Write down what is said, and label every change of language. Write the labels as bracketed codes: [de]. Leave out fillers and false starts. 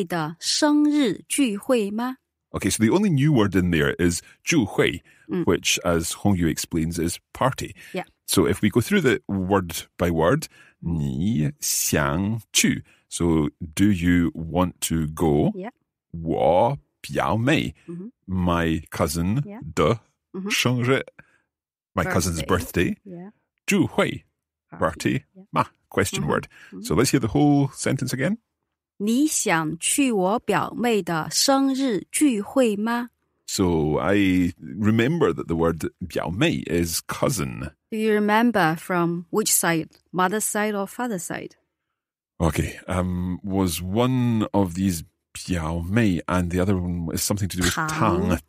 [zh] 你想去我表妹的生日聚会吗? [en] Okay, so the only new word in there is 聚会, which, as Hongyu explains, is party. Yeah. So if we go through the word by word, [zh] 你想去, [en] so do you want to go? Yeah. [zh] 我表妹, [en] my cousin, [zh] 的生日, [en] my cousin's birthday. Yeah. 聚会, party, ma. Question word. So let's hear the whole sentence again. [zh] 你想去我表妹的生日聚会吗? [en] So I remember that the word 表妹 is cousin. Do you remember from which side? Mother's side or father's side? Okay. Was one of these biao mei, and the other one is something to do with tang.